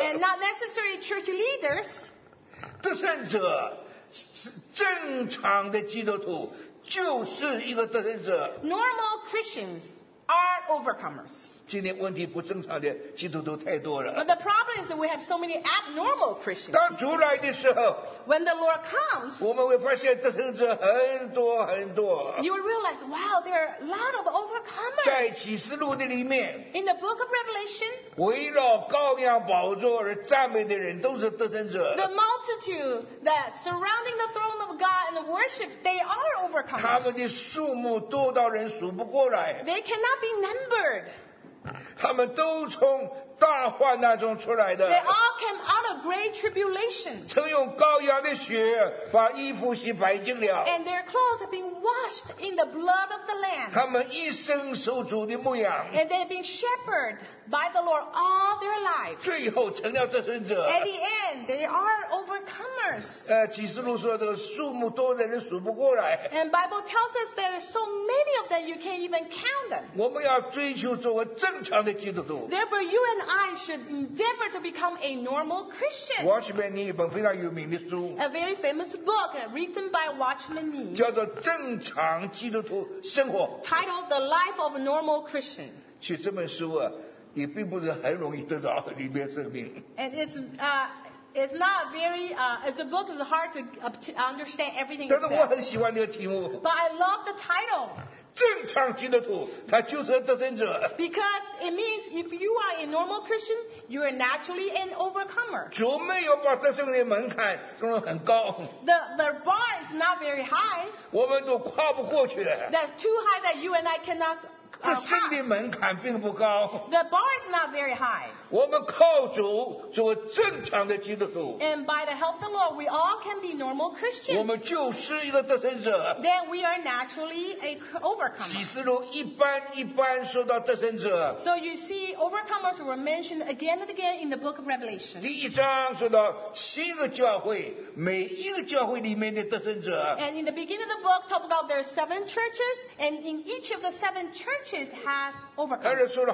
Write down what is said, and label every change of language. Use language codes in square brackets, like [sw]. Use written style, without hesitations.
[en] And not necessary church leaders. [zh] 得胜者是正常的基督徒就是一个得胜者。 [en] Normal Christians are overcomers. [zh] 今天问题不正常的基督徒太多了。 [en] But the problem is that we have so many abnormal Christians. [zh] 当主来的时候 [en] ，When the Lord comes， [zh] 我们会发现得胜者很多很多。 [en] You will realize, wow, there are a lot of overcomers. [zh] 在启示录的里面 [en] ，In the Book of Revelation， [zh] 围绕羔羊宝座而赞美的人都是得胜者。 [en] The multitude that surrounding the throne of God and worship, they are overcomers. [zh] 他们的数目多到人数不过来。 [en] They cannot be numbered. [zh] 他们都从大患难中出来的。 [en] They all came out of great tribulation. [zh] 曾用羔羊的血把衣服洗白净了。 [en] And their clothes have been washed in the blood of the Lamb. [zh] 他们一生受主的牧养。 [en] And they've been shepherded by the Lord all their lives. [zh] 最后成了得胜者。 [en] At the end, they are overcomers. [zh] 启示录说的数目多的人数不过来。 [en] And Bible tells us there are so many of them you can't even count them. [zh] 我们要追求作为正常的基督徒。 [en] Therefore, you and I should endeavor to become a normal Christian. [zh] Watchman Nee 一本非常有名的书。 [en] A very famous book written by Watchman Nee. [zh] 叫做《正常基督徒生活》。 [en] Titled The Life of a Normal Christian. [zh] 其实这本书啊，也并不是很容易得到里面生命。 [en] And it's not very it's a book is hard to understand everything. [zh] 但是我很喜欢这个题目。 [en] But I love the title. [zh] 正常基督徒，他就是得胜者。 [en] Because it means if you are a normal Christian, you are naturally an overcomer. [zh] 主没有把得胜的门槛弄得很高。 [en] The bar is not very high. [zh] 我们都跨不过去。 [en] That's too high that you and I cannot. [zh] 得胜的门槛并不高。 [en] The bar is not very high. [zh] 我们靠主做正常的基督徒。 [en] And by the help of the Lord, we all can be normal Christians. [zh] 我们就是一个得胜者。 [en] Then we are naturally a overcomer. [zh] 启示录一般一般说到得胜者。 [en] So you see, overcomers were mentioned again and again in the book of Revelation. [zh] 第一章说到七个教会，每一个教会里面的得胜者。 [en] And in the beginning of the book, talk about there are seven churches, and in each of the seven churches,Churches have overcomers.